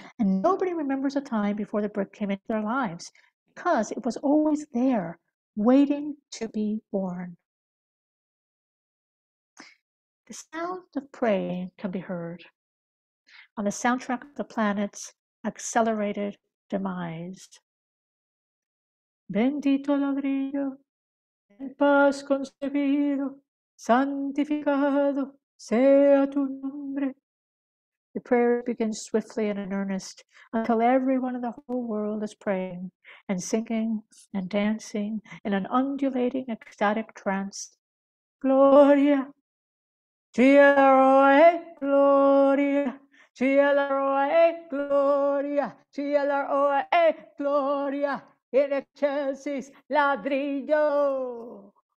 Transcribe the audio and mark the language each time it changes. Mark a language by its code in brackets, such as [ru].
[en] And nobody remembers a time before the brick came into their lives, because it was always there, waiting to be born. The sound of praying can be heard on the soundtrack of the planet's accelerated demise. [es] Bendito ladrillo, en paz concebido, santificado sea tu nombre. [en] The prayer begins swiftly and in earnest until everyone in the whole world is praying and singing and dancing in an undulating ecstatic trance. [la] Gloria, Gia la Roe, Gloria, Gia la Roe, Gloria, Gia la Roe, Gloria, in excelsis ladrillo.